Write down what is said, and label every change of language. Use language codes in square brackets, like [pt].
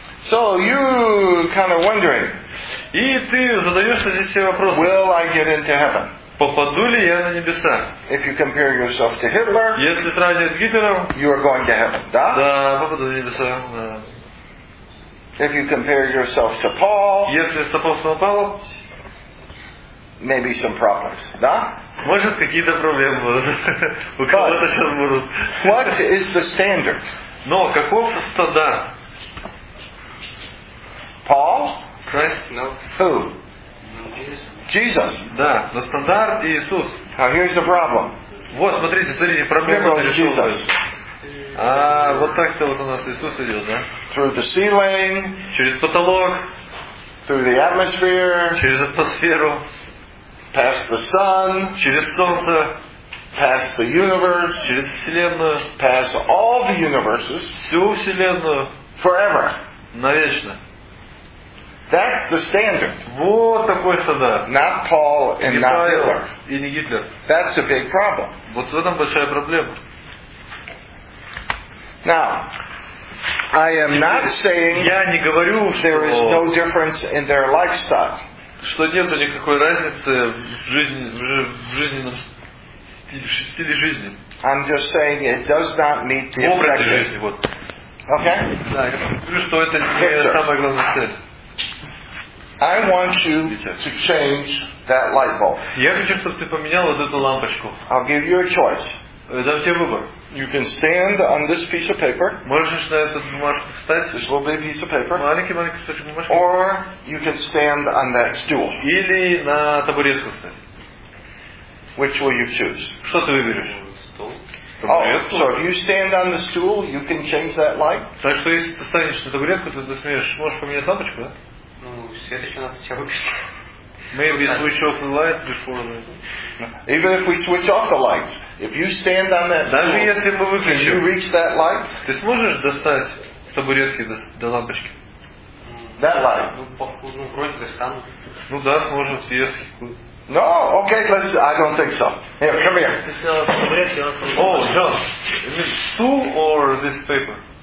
[en] So you kind of wondering. [ru] И ты задаешься здесь себе вопросом. [en] Will I get into heaven? [ru] Попаду ли я на небеса? [en] If you compare yourself to Hitler. [ru] Если сравнить с Гитлером. [en] You are going to heaven. Да? [ru] Да, попаду на небеса. Да. [en] If you compare yourself to Paul, [ru] если с апостолом Павлом, [en] maybe some problems, да? [ru] Может какие-то проблемы будут. У кого-то сейчас будут. [en] What is the standard? [ru] Но каков стандарт? [en] Paul? Christ? No. Who? Jesus. [ru] Да, но стандарт Иисус. [en] Now here's the problem. [ru] Вот смотрите, смотрите, проблема [en] Jesus. Jesus. [ru] А вот так-то вот у нас Иисус идет, да? [en] Through the ceiling, [ru] через потолок, [en] through the atmosphere, [ru] через атмосферу, [en] past the sun, [ru] через солнце, [en] past the universe, [ru] через вселенную, [en] past all the universes, [ru] всю вселенную, [en] forever, [ru] навечно. [en] That's the standard. [ru] Вот такой стандарт. [en] Not Paul and not Hitler. [ru] И не Гитлер. [en] That's a big problem. [ru] Вот в этом большая проблема. [en] Now, I am not saying there is no difference in their lifestyle. [ru] Что нету никакой разницы в жизни. [en] I'm just saying it does not meet the objective. [ru] В образе жизни, вот. [en] Okay? [ru] Да, я говорю, что это не самая главная цель. [en] I want you to change that light bulb. [ru] Я хочу, чтобы ты поменял вот эту лампочку. [en] I'll give you a choice. [ru] Это у тебя выбор. [en] You can stand on this piece of paper. [ru] Можешь на эту бумажку встать. [en] This little big piece of paper. [ru] Маленький кусочек бумажки. [en] Or you can stand on that stool. [ru] Или на табуретку встать. [en] Which will you choose? [ru] Что ты выберешь? [en] Табуретку. Oh, so if you stand on the stool, you can change that light. [ru] Так что если ты встанешь на табуретку, ты смеешь, можешь поменять лампочку, да? Ну, свет еще надо сейчас выключить. [en] Maybe switch off the lights before. Even if we switch off the lights, if you stand on that [ru] Даже [en] stool, [ru] если мы выключим, [en] can you reach that light? [ru] Ты сможешь достать с табуретки до лампочки? [en] That light. [ru] Ну, похоже, ну, вроде достану. Ну да, сможем съездить куда-то. [en] No, okay, let's. I don't think so. Here, come here. Oh, John. Is it stool or this paper?